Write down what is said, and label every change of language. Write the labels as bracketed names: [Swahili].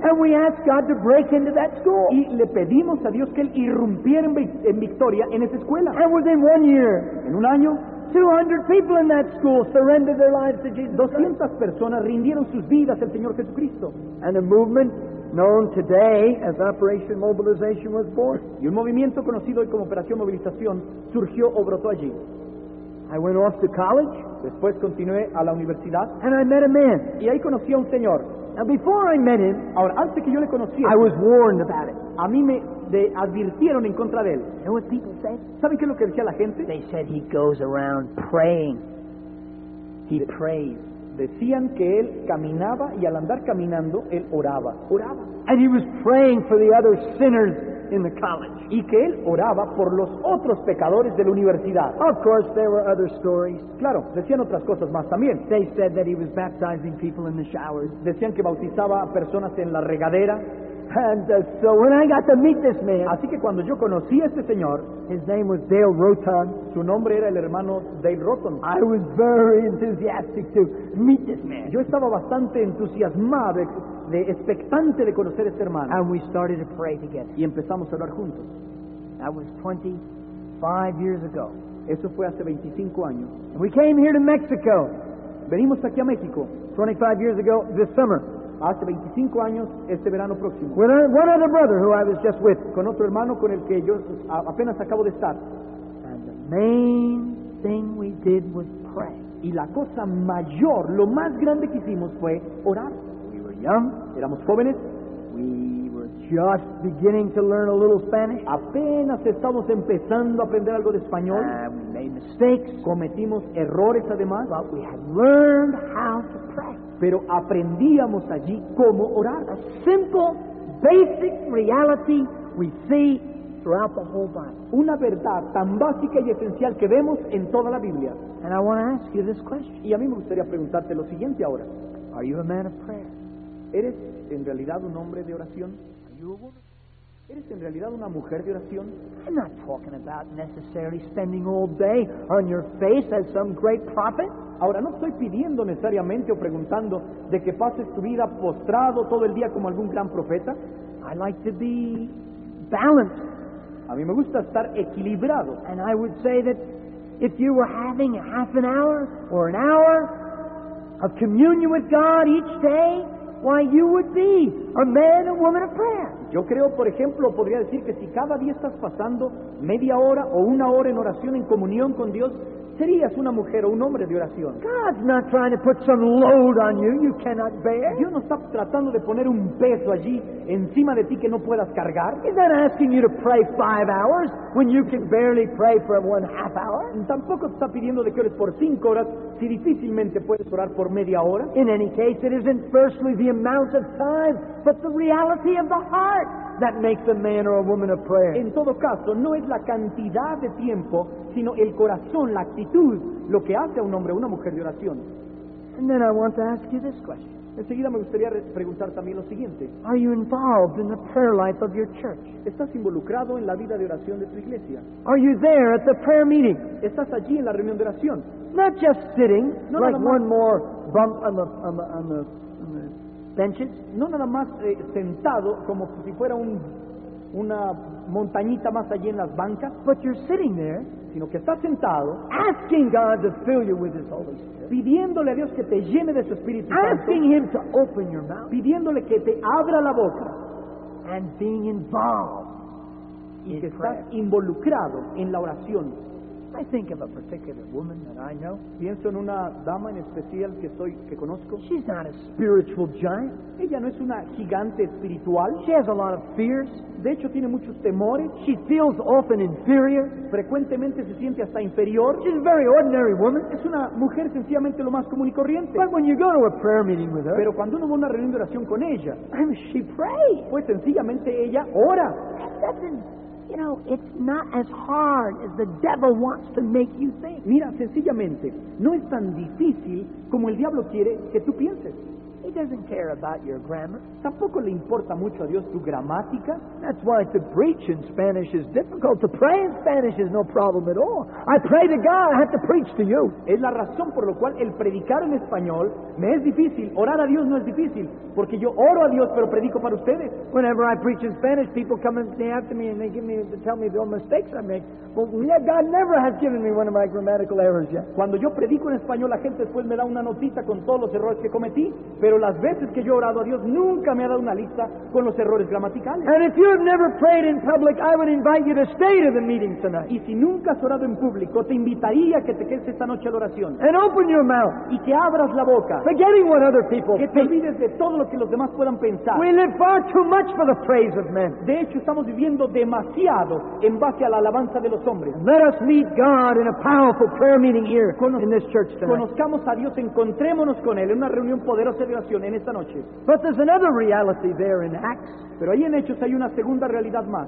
[English] And we asked God to break into that school. [Spanish] Y le pedimos a Dios que él irrumpiera en victoria en esa escuela. [English] And within one year, [Spanish] en un año, [English] 200 people in that school surrendered their lives to Jesus. [Spanish] 200 personas rindieron sus vidas al Señor Jesucristo. [English] And a movement known today as Operation Mobilization was born. [Spanish] Y un movimiento conocido hoy como Operación Movilización surgió o brotó allí. [English] I went off to college. [Spanish] Después continué a la universidad. [English] And I met a man. [Spanish] Y ahí conocí a un señor. [English] And before I met him, [Spanish] ahora antes que yo le conociera, [English] I was warned about it. [Spanish] A mí me advirtieron en contra de él. [English] You know what people say? [Spanish] ¿Saben qué es lo que decía la gente? [English] They said he goes around praying He prayed. [Spanish] Decían que él caminaba y al andar caminando él oraba. Oraba. [English] And he was praying for the other sinners in the college. [Spanish] Y que él oraba por los otros pecadores de la universidad. [English] Of course, there were other stories. [Spanish] Claro, decían otras cosas más también. [English] They said that he was baptizing people in the showers. [Spanish] Decían que bautizaba a personas en la regadera. [English] And so when I got to meet this man, [Spanish] así que cuando yo conocí a este señor, [English] his name was Dale Rotan. [Spanish] Su nombre era el hermano Dale Rotan. [English] I was very enthusiastic to meet this man. [Spanish] Yo estaba bastante entusiasmado, de expectante de conocer a este hermano. [English] And we started to pray together. [Spanish] Y empezamos a hablar juntos. [English] That was 25 years ago. [Spanish] Eso fue hace 25 años. [English] And we came here to Mexico. [Spanish] Venimos aquí a México. [English] 25 years ago this summer. [Spanish] Hace 25 años, este verano próximo. [English] With one other brother who I was just with. [Spanish] Con otro hermano con el que yo apenas acabo de estar. [English] And the main thing we did was pray. [Spanish] Y la cosa mayor, lo más grande que hicimos fue orar. [English] We were young. [Spanish] Éramos jóvenes. [English] We were just beginning to learn a little Spanish. [Spanish] Apenas estábamos empezando a aprender algo de español. [English] We made mistakes. [Spanish] Cometimos errores además. [English] But we had learned how to pray. [Spanish] Pero aprendíamos allí cómo orar. [English] A simple, basic reality we see throughout the whole Bible. [Spanish] Una verdad tan básica y esencial que vemos en toda la Biblia. [English] And I want to ask you this question. [Spanish] Y a mí me gustaría preguntarte lo siguiente ahora. [English] Are you a man of prayer? [Spanish] ¿Eres en realidad un hombre de oración? [English] Are you a woman? [Spanish] ¿Eres en realidad una mujer de oración? [English] I'm not talking about necessarily spending all day on your face as some great prophet. [Spanish] Ahora, no estoy pidiendo necesariamente o preguntando de que pases tu vida postrado todo el día como algún gran profeta. [English] I like to be balanced. [Spanish] A mí me gusta estar equilibrado. [English] And I would say that if you were having a half an hour or an hour of communion with God each day, why, you would be a man or woman of prayer. [Spanish] Yo creo, por ejemplo, podría decir que si cada día estás pasando media hora o una hora en oración, en comunión con Dios, serías una mujer o un hombre de oración. [English] God's not trying to put some load on you you cannot bear. [Spanish] Dios no está tratando de poner un peso allí encima de ti que no puedas cargar. [English] He's not asking you to pray 5 hours when you can barely pray for 1 half hour. [Spanish] Tampoco está pidiendo de que ores por 5 horas si difícilmente puedes orar por media hora. [English] In any case, it isn't firstly the amount of time, but the reality of the heart that makes a man or a woman of prayer. [Spanish] En todo caso, no es la cantidad de tiempo, sino el corazón, la actitud, lo que hace a un hombre o una mujer de oración. [English] And then I want to ask you this question. [Spanish] Enseguida me gustaría preguntar también lo siguiente. [English] Are you involved in the prayer life of your church? [Spanish] ¿Estás involucrado en la vida de oración de tu iglesia? [English] Are you there at the prayer meeting? [Spanish] ¿Estás allí en la reunión de oración? [English] Not just sitting, [Spanish] no, [English] like [Spanish] no, no, [English] one more bump on the benches. [Spanish] No nada más sentado como si fuera una montañita más allí en las bancas, [English] but you're sitting there, [Spanish] sino que estás sentado, [English] asking God to fill you with His Holy Spirit, [Spanish] pidiéndole a Dios que te llene de su Espíritu [English] asking [Spanish] Santo, [English] asking Him to open your mouth, [Spanish] pidiéndole que te abra la boca, [English] and being involved, [Spanish] y [English] in [Spanish] que [English] prayer. [Spanish] Estás involucrado en la oración. [English] I think of a particular woman that I know. [Spanish] Pienso en una dama en especial que conozco. [English] She's not a spiritual giant. [Spanish] Ella no es una gigante espiritual. [English] She has a lot of fears. [Spanish] De hecho, tiene muchos temores. [English] She feels often inferior. [Spanish] Frecuentemente se siente hasta inferior. [English] She's a very ordinary woman. [Spanish] Es una mujer sencillamente lo más común y corriente. [English] But when you go to a prayer meeting with her, [Spanish] pero cuando uno va a una reunión de oración con ella, [English] and she prays, [Spanish] pues sencillamente ella ora. [English] You know, it's not as hard as the devil wants to make you think. [Spanish] Mira, sencillamente, no es tan difícil como el diablo quiere que tú pienses. [English] He doesn't care about your grammar. [Spanish] Tampoco le importa mucho a Dios tu gramática. [English] That's why to preach in Spanish is difficult. To pray in Spanish is no problem at all. I pray to God, I have to preach to you. [Spanish] Es la razón por la cual el predicar en español me es difícil. Orar a Dios no es difícil, porque yo oro a Dios, pero predico para ustedes. [English] Whenever I preach in Spanish, people come and say after me and they tell me the old mistakes I make. Well, God never has given me one of my grammatical errors yet. [Spanish] Cuando yo predico en español, la gente después me da una notita con todos los errores que cometí. Pero las veces que yo he orado a Dios, nunca me ha dado una lista con los errores gramaticales. [English] And if you have never prayed in public, I would invite you to stay to the meeting tonight. [Spanish] Y si nunca has orado en público, te invitaría a que te quedes esta noche a la oración. [English] And open your mouth. [Spanish] Y que abras la boca. [English] Forgetting what other people think. [Spanish] Que te olvides de todo lo que los demás puedan pensar. [English] We live far too much for the praise of men. [Spanish] De hecho, estamos viviendo demasiado en base a la alabanza de los hombres. [English] Let us meet God in a powerful prayer meeting here in this church tonight. [Spanish] Conozcamos a Dios, encontrémonos con Él en una reunión poderosa de oración en esta noche. [English] But there's another reality there in Acts. [Spanish] Pero ahí en Hechos hay una segunda realidad más.